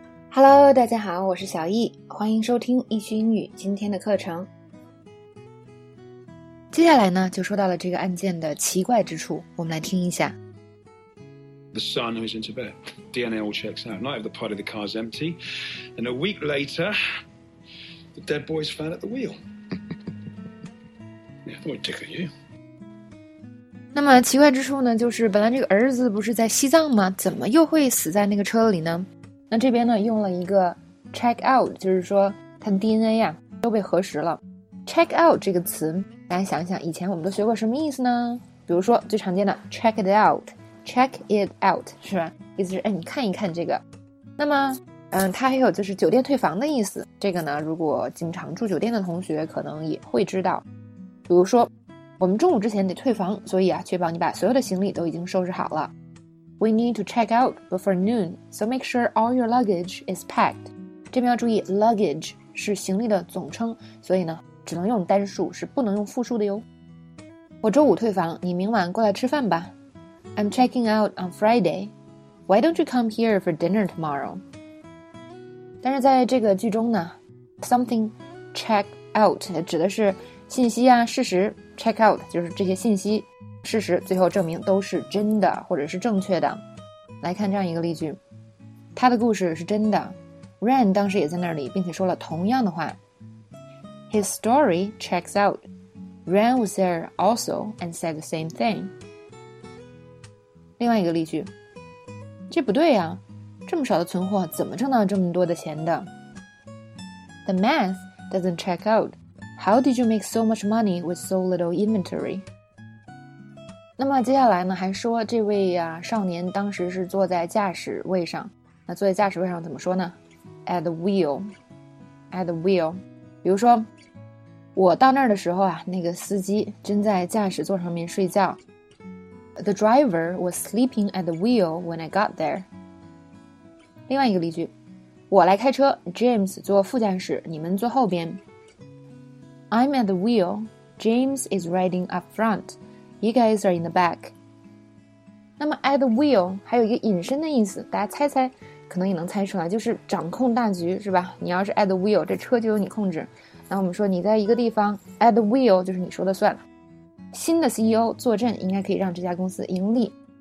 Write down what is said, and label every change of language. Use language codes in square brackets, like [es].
[zh] Hello， 大家好，我是小易，欢迎收听易趣英语今天的课程。接下来呢，就说到了这个案件的奇怪之处，我们来听一下。 [en] The son who's in Tibet, DNA all checks out. Night of the party, the car's empty, and a week later, the dead boy's found at the wheel. Yeah, that would tickle you. [zh] 那么奇怪之处呢，就是本来这个儿子不是在西藏吗？怎么又会死在那个车里呢？那这边呢用了一个 check out， 就是说他的 DNA 啊都被核实了。 check out 这个词，大家想想，以前我们都学过什么意思呢？比如说最常见的 check it out， check it out 是吧？意思是哎，你看一看这个。那么，它还有就是酒店退房的意思。这个呢，如果经常住酒店的同学可能也会知道，比如说。我们中午之前得退房，所以啊，确保你把所有的行李都已经收拾好了。 [en] We need to check out before noon, so make sure all your luggage is packed. [zh] 这边要注意 ，luggage 是行李的总称，所以呢，只能用单数，是不能用复数的哟。我周五退房，你明晚过来吃饭吧。 [en] I'm checking out on Friday. Why don't you come here for dinner tomorrow? [zh] 但是在这个剧中呢 ，something check out 指的是信息啊，事实。 Check out 就是这些信息事实最后证明都是真的或者是正确的。来看这样一个例句，他的故事是真的。Ren 当时也在那里，并且说了同样的话。 [en] His story checks out. Ren was there also and said the same thing. [zh] 另外一个例句，这不对啊，这么少的存货怎么挣到这么多的钱的？ [en] The math doesn't check outHow did you make so much money with so little inventory? [zh] 那么接下来呢，还说这位啊少年当时是坐在驾驶位上。那坐在驾驶位上怎么说呢 ？ [en] At the wheel, at the wheel. [zh] 比如说，我到那儿的时候啊，那个司机正在驾驶座上面睡觉。 [en] The driver was sleeping at the wheel when I got there. [zh] 另外一个例句，我来开车 ，James 坐副驾驶，你们坐后边。 [en] I'm at the wheel. James is riding up front. You guys are in the back. [zh] 那么 at the wheel 还有一个引申的意思，大家猜猜，可能也能猜出来，就是掌控大局，是吧？你要是 at the wheel， 这车就由你控制。那我们说你在一个地方 at the wheel， 就是你说的算了。新的 CEO 坐镇应该可以让这家公司盈利。